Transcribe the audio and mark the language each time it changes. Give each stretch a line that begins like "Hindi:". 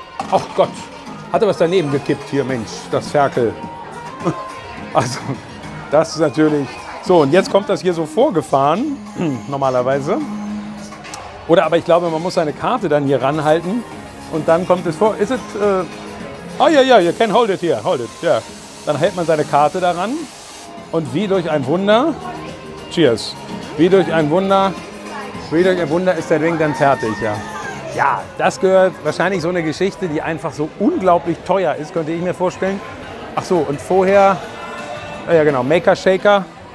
German: Ach Gott, hat er was daneben gekippt hier, Mensch, das Ferkel. Also, das ist natürlich... So, und jetzt kommt das hier so vorgefahren, normalerweise. Oder, aber ich glaube, man muss seine Karte dann hier ranhalten. Und dann kommt es vor... Ist es...
English: you can hold it here, hold it, yeah.
German: Dann hält man seine Karte daran. Und wie durch ein Wunder... Cheers. Wie durch ein Wunder ist der Drink dann fertig, ja. Ja, das gehört wahrscheinlich so eine Geschichte, die einfach so unglaublich teuer ist, könnte ich mir vorstellen. Ach so, und vorher, ja genau, Maker Shaker.